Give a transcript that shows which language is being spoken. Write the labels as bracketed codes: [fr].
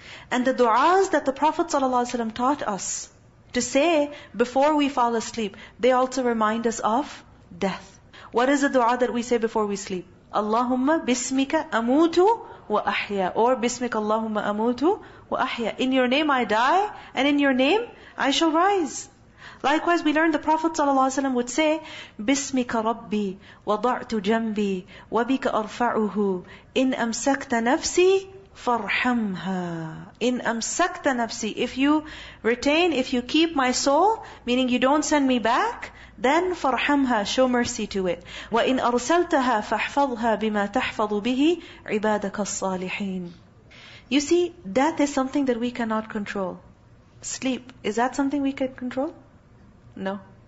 [en] And the du'as that the Prophet ﷺ taught us to say before we fall asleep, they also remind us of death. What is the du'a that we say before we sleep? [ar] Allahumma bismika amutu wa ahya. [en] Or [ar] bismika Allahumma amutu wa ahya. [en] In your name I die and in your name I shall rise. Likewise, we learn the Prophet ﷺ would say, [ar] بِسْمِكَ رَبِّي وَضَعْتُ جَنْبِي وَبِكَ أَرْفَعُهُ إِنْ أَمْسَكْتَ نَفْسِي فَارْحَمْهَا. إِنْ أَمْسَكْتَ نَفْسِي. [en] If you retain, if you keep my soul, meaning you don't send me back, then فَارْحَمْهَا, show mercy to it. [ar] وَإِنْ أَرْسَلْتَهَا فَاحْفَظْهَا بِمَا تَحْفَظُ بِهِ عِبَادَكَ الصَّالِحِينَ. [en] You see, death is something that we cannot control. Sleep, is that something we can control? No.